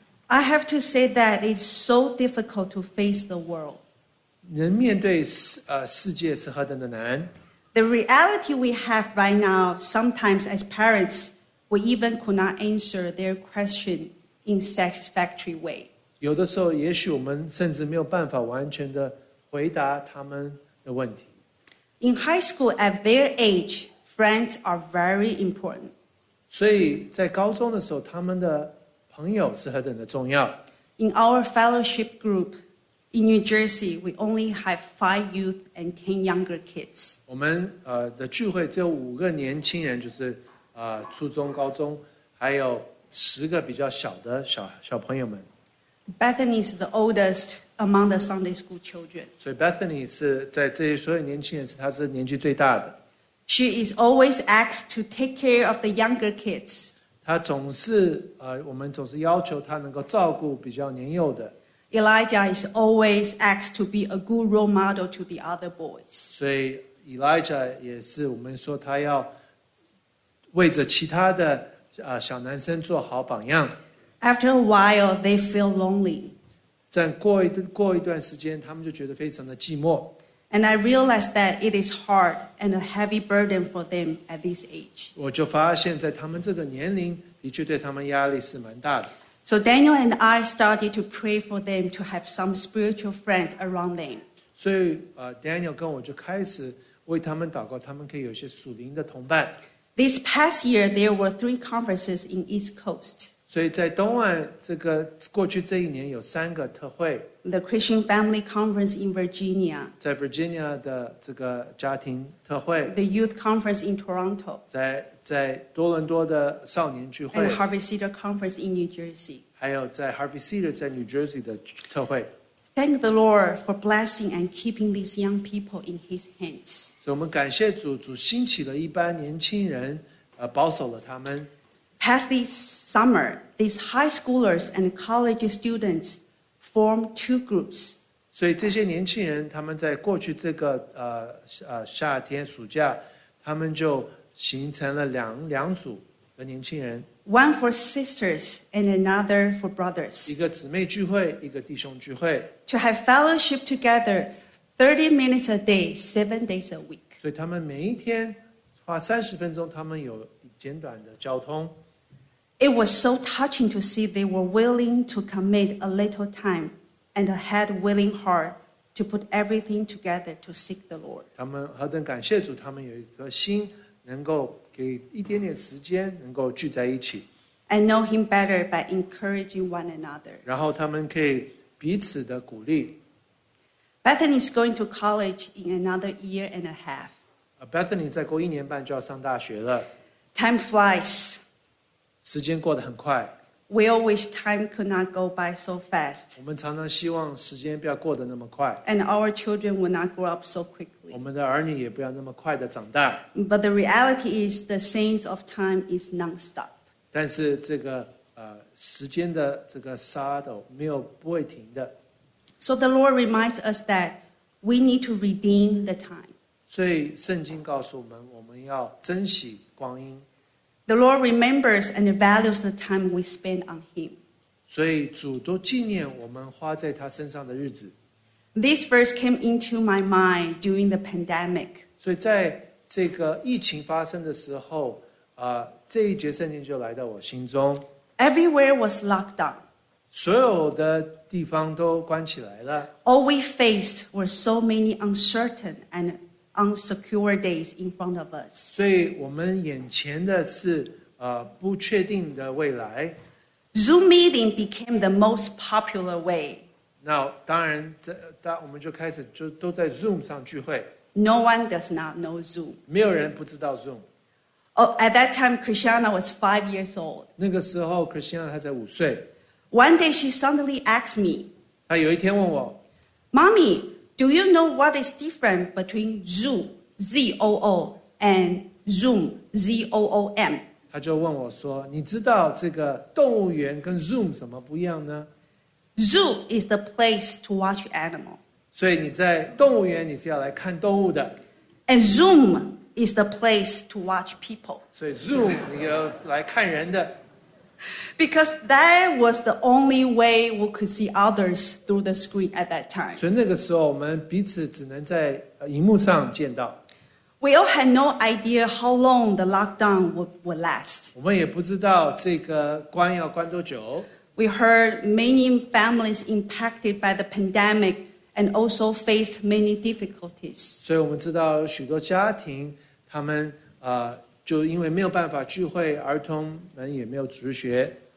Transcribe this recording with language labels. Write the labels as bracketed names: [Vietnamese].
[English] I have to say that it's so difficult to face the world. [Chinese] 能面对世界是何等的难。 [English] The reality we have right now, sometimes as parents, we even could not answer their question in satisfactory way. [Chinese] 有的时候也许我们甚至没有办法完全的回答他们的问题。 [English] In high school, at their age, friends are very important. [Chinese] 所以在高中的时候他们的朋友是何等的重要。 [English] In our fellowship group in New Jersey, we only have 5 youth and 10 younger kids. [Chinese] 我们的聚会只有5个年轻人，就是初中、高中，还有10个比较小的小朋友们。 [English] Bethany is the oldest among the Sunday school children. [Chinese] 所以 Bethany 是在这些所有年轻人，她是年纪最大的。 [English] She is always asked to take care of the younger kids. [Chinese] 他总是我们总是要求他能够照顾比较年幼的。 [English] Elijah is always asked to be a good role model to the other boys. [Chinese] 所以 Elijah 也是我们说他要为着其他的、小男生做好榜样。 [English] After a while, they feel lonely. [Chinese] 在过一段时间，他们就觉得非常的寂寞。 [English] And I realized that it is hard and a heavy burden for them at this age. [Chinese] 我就发现在他们这个年龄，的确对他们压力是蛮大的。 [English] So Daniel and I started to pray for them to have some spiritual friends around them. [Chinese] 所以、Daniel 跟我就开始为他们祷告，他们可以有一些属灵的同伴。 [English] This past year, there were 3 conferences in East Coast. [Chinese] 所以在东岸，这个过去这一年有三个特会。 [English] The Christian Family Conference in Virginia. [Chinese] 在 Virginia 的这个家庭特会。 [English] The Youth Conference in Toronto. [Chinese] 在多伦多的少年聚会。 [English] And Harvey Cedar Conference in New Jersey. [Chinese] 还有在 Harvey Cedar 在 New Jersey 的特会。 [English] Thank the Lord for blessing and keeping these young people in His hands. [Chinese] 所以我们感谢主，主兴起了一班年轻人，保守了他们。 [English] Past this summer, these high schoolers and college students formed 2 groups. [Chinese] 所以这些年轻人，他们在过去这个夏天暑假，他们就形成了两组的年轻人。 [English] One for sisters and another for brothers. [Chinese] 一个姊妹聚会，一个弟兄聚会。 [English] To have fellowship together, 30 minutes a day, 7 days a week. [Chinese] 所以他们每一天花30分钟，他们有简短的交通。 [English] It was so touching to see they were willing to commit a little time and had a willing heart to put everything together to seek the Lord. [Chinese] 他们何等感谢主，他们有一颗心能够给一点点时间能够聚在一起。 [English] I know him better by encouraging one another. [Chinese] 然后他们可以彼此的鼓励。 [English] Bethany is going to college in another year and a half. [Chinese] Bethany 再过一年半就要上大学了。 [English] Time flies. [Chinese] 时间过得很快。 [English] We all wish time could not go by so fast. [Chinese] 我们常常希望时间不要过得那么快。 [English] And our children would not grow up so quickly. [Chinese] 我们的儿女也不要那么快地长大。 [English] But the reality is the sands of time is non-stop. [Chinese] 但是这个时间的这个沙斗没有不会停的。 [English] So the Lord reminds us that we need to redeem the time. [Chinese] 所以圣经告诉我们，我们要珍惜光阴。 [English] The Lord remembers and values the time we spend on Him. [Chinese] 所以主都纪念我们花在他身上的日子。 [English] This verse came into my mind during the pandemic. [Chinese] 所以在这个疫情发生的时候，这一节圣经就来到我心中。 [English] Everywhere was locked down. [Chinese] 所有的地方都关起来了。 [English] All we faced were so many uncertain and unsecure days in front of us. [Chinese] 所以我们眼前的是不确定的未来。 [English] Zoom meeting became the most popular way. [Chinese] 那当然，我们就开始就都在 Zoom 上聚会。 [English] No one does not know Zoom. [Chinese] 没有人不知道 Zoom. [English] Oh, at that time, Christiana was 5 years old. [Chinese] 那个时候 ，Christiana 她才五岁。 [English] One day, she suddenly asked me. [Chinese] 她有一天问我 [English] ，Mommy。 Do you know what is different between Zoom, Z-O-O, and Zoom, Z-O-O-M? [Chinese] 他就问我说，你知道这个动物园跟 Zoom 什么不一样呢？ [English] Zoo is the place to watch animal. [Chinese] 所以你在动物园你是要来看动物的。 [English] And Zoom is the place to watch people. [Chinese] 所以 Zoom 你要来看人的。 [English] Because that was the only way we could see others through the screen at that time. [Chinese] 所以那个时候我们彼此只能在荧幕上见到。 [English] We all had no idea how long the lockdown would last. [Chinese] 我们也不知道这个关要关多久。 [English] We heard many families impacted by the pandemic and also faced many difficulties. [Chinese] 所以我们知道有许多家庭他们就因为没有办法聚会，儿童们也没有入学。